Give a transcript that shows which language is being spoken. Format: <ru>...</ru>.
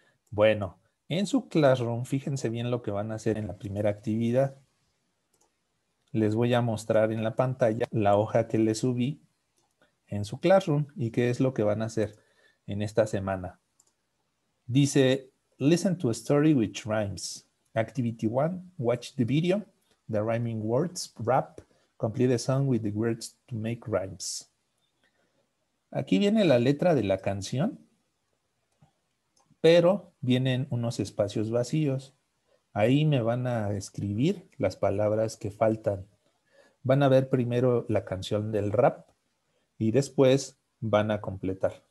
<es>Bueno, en su classroom, fíjense bien lo que van a hacer en la primera actividad. Les voy a mostrar en la pantalla la hoja que les subí en su classroom y qué es lo que van a hacer en esta semana. Dice,</es> <en>listen to a story which rhymes. Activity 1, watch the video, the rhyming words, rap, complete a song with the words to make rhymes.</en> <es>Aquí viene la letra de la canción, pero vienen unos espacios vacíos. Ahí me van a escribir las palabras que faltan. Van a ver primero la canción del rap y después van a completar.</es>